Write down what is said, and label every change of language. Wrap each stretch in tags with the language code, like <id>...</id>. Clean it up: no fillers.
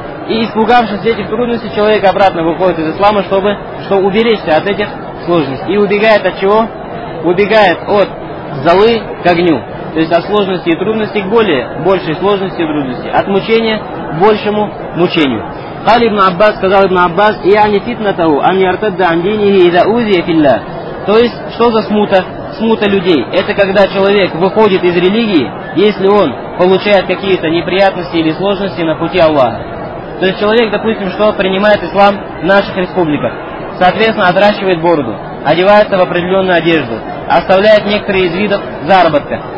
<ru>И испугавшись этих трудностей, человек обратно выходит из ислама, чтобы уберечься от этих сложностей. И убегает от чего? Убегает от золы к огню. То есть от сложности и трудностей к более большей сложности и трудности. От мучения к большему мучению.</ru> <ar>قال ابن Аббас,</ar> <ru>сказал</ru> <ar>ابن Аббас, يعني فتنته أن يرتد عن دينه إذا أوذي في الله.</ar> <ru>То есть, что за смута? Смута людей. Это когда человек выходит из религии, если он получает какие-то неприятности или сложности на пути Аллаха. То есть человек, допустим, что принимает ислам в наших республиках, соответственно, отращивает бороду, одевается в определенную одежду, оставляет некоторые из видов заработка.</ru>